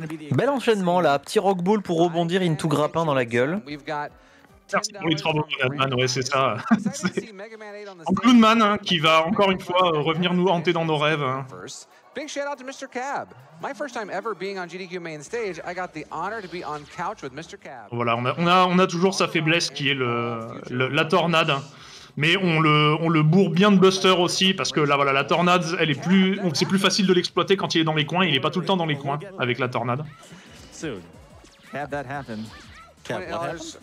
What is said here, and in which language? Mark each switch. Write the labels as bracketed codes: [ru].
[fr] Bel enchaînement là, petit Rock Ball pour rebondir into grappin dans la gueule. Merci pour les travaux, Clown Man, ouais, c'est ça. C'est Clown Man hein, qui va encore une fois revenir nous hanter dans nos rêves. [en] Hein. Big shout out to Mr. Cab. My first time ever being on GDQ main stage, I got the honor to be on couch with Mr. Cab. [fr] Voilà, on a toujours sa faiblesse qui est la tornade. Mais on le bourre bien de Buster aussi, parce que là, voilà, la tornade, elle est plus, c'est plus facile de l'exploiter quand il est dans les coins. Il n'est pas tout le temps dans les coins avec la tornade. [en] Have that happen. $20.